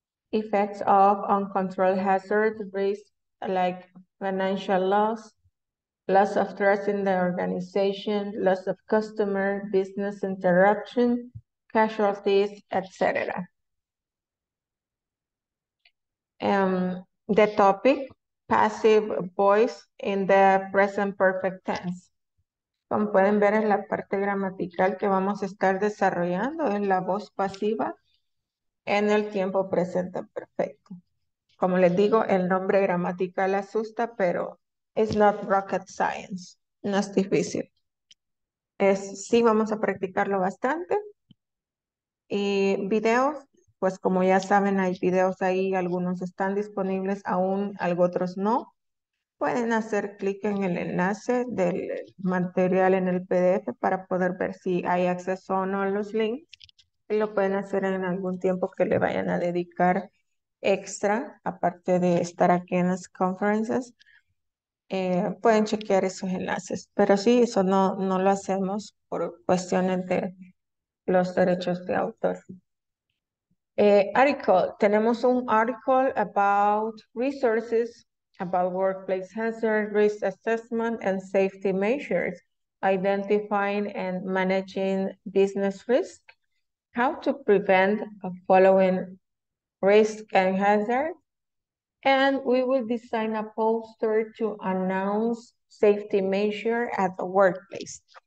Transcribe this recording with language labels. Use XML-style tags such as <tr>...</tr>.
<en>Effects of uncontrolled hazard risk like financial loss, loss of trust in the organization, loss of customer, business interruption, casualties, etc. The topic, passive voice in the present perfect tense.</en> <es>Como pueden ver, es la parte gramatical que vamos a estar desarrollando en la voz pasiva en el tiempo presente perfecto. Como les digo, el nombre gramatical asusta, pero it's not rocket science. No es difícil. Es, sí, vamos a practicarlo bastante. Y videos, pues como ya saben, hay videos ahí, algunos están disponibles aún, otros no. Pueden hacer clic en el enlace del material en el PDF para poder ver si hay acceso o no a los links. Y lo pueden hacer en algún tiempo que le vayan a dedicar extra, aparte de estar aquí en las conferences. Pueden chequear esos enlaces, pero sí, eso no, no lo hacemos por cuestiones de los derechos de autor.</es> <en>Article, tenemos un article about resources, about workplace hazard risk assessment and safety measures, identifying and managing business risk, how to prevent following risk and hazard, and we will design a poster to announce safety measure at the workplace.</en>